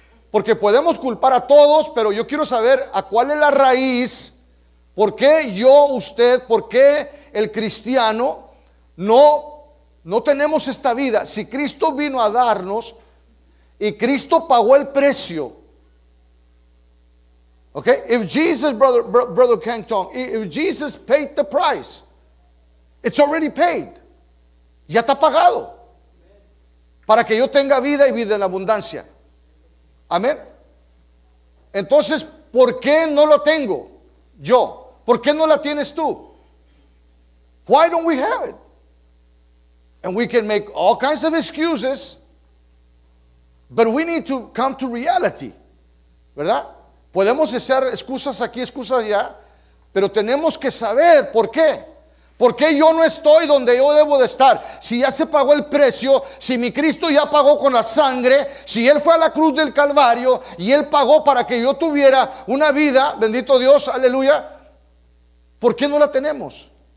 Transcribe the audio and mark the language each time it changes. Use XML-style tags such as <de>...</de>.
<es>Porque podemos culpar a todos, pero yo quiero saber a cuál es la raíz. ¿Por qué yo, usted, por qué el cristiano no tenemos esta vida? Si Cristo vino a darnos y Cristo pagó el precio.</es> <en>Okay, if Jesus, brother Kang Tong, if Jesus paid the price, it's already paid.</en> <es>Ya está pagado. Para que yo tenga vida y vida en abundancia. Amén. Entonces, ¿por qué no lo tengo yo? ¿Por qué no la tienes tú?</es> <en>Why don't we have it? And we can make all kinds of excuses, but we need to come to reality.</en> <es>¿Verdad? Podemos echar excusas aquí, excusas allá, pero tenemos que saber por qué. ¿Por qué yo no estoy donde yo debo de estar? Si ya se pagó el precio, si mi Cristo ya pagó con la sangre, si Él fue a la cruz del Calvario y Él pagó para que yo tuviera una vida, bendito Dios, aleluya, ¿por qué no la tenemos?</es>